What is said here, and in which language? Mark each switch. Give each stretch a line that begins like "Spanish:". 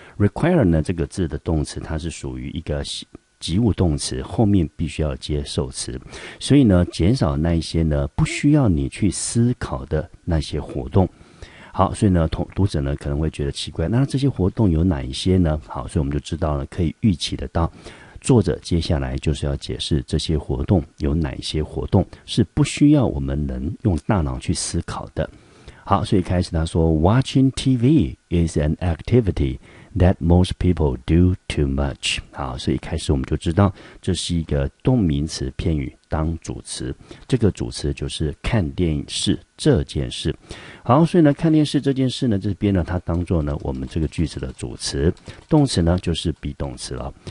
Chinese: require 呢这个字的动词它是属于一个及物动词，后面必须要接受词，所以呢减少那一些呢不需要你去思考的那些活动。好，所以呢读者呢可能会觉得奇怪，那这些活动有哪一些呢？好，所以我们就知道了，可以预期得到作者接下来就是要解释这些活动有哪一些活动是不需要我们能用大脑去思考的。好，所以开始他说
English: Watching TV is an activity that most people do too much。
Chinese: 好，所以开始我们就知道这是一个动名词片语当主词，这个主词就是看电视这件事。好，所以呢看电视这件事呢这边呢它当作呢我们这个句子的主词，动词呢就是 be 动词了。